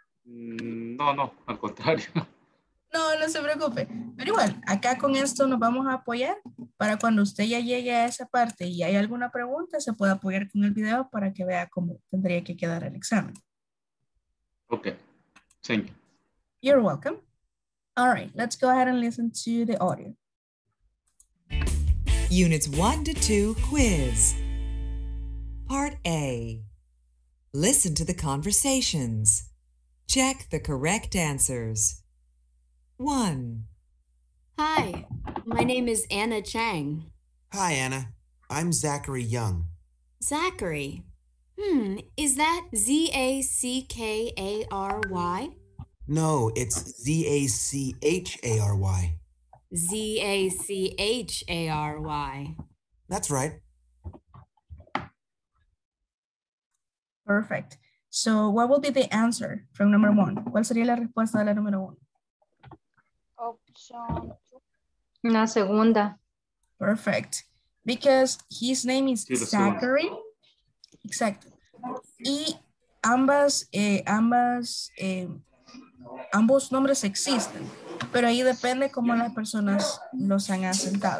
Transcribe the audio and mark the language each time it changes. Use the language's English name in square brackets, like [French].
[Spanish] No, al contrario. No se preocupe. Pero igual, acá con esto nos vamos a apoyar para cuando usted ya llegue a esa parte y hay alguna pregunta, se pueda apoyar con el video para que vea cómo tendría que quedar el examen. [English] Ok, thank you. You're welcome. All right, let's go ahead and listen to the audio. Units 1 to 2 quiz. Part A. Listen to the conversations. Check the correct answers. 1. Hi, my name is Anna Chang. Hi, Anna. I'm Zachary Young. Zachary? Is that Z-A-C-K-A-R-Y? No, it's Z-A-C-H-A-R-Y. Z-A-C-H-A-R-Y. That's right. Perfect. So what will be the answer from number one? [Spanish] ¿Cuál sería la respuesta de la número uno? [English] Option. [Spanish] La segunda. [English] Perfect. Because his name is Zachary. [Spanish] Exacto. Y ambos nombres existen, pero ahí depende cómo las personas los han asentado.